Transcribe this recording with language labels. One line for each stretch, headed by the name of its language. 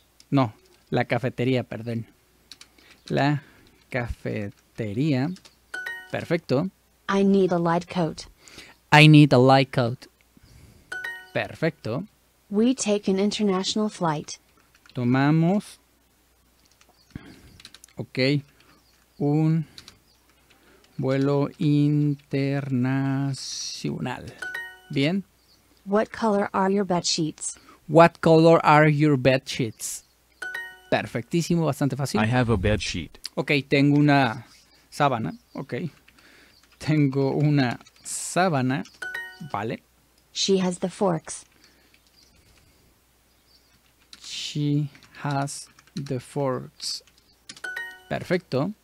Spanish: No, la cafetería, perdón. La cafetería. Perfecto.
English: I need a light coat. I need a light coat.
Spanish: Perfecto.
English: We take an international flight.
Spanish: Tomamos.
English: Ok.
Spanish: Un vuelo internacional. Bien.
English: What color are your bed sheets? What color are your bed sheets?
Spanish: Perfectísimo, bastante fácil.
English: I have a bed sheet.
Spanish: Ok, tengo una sábana. Ok. Tengo una sábana. Vale.
English: She has the forks. She has the forks.
Spanish: Perfecto.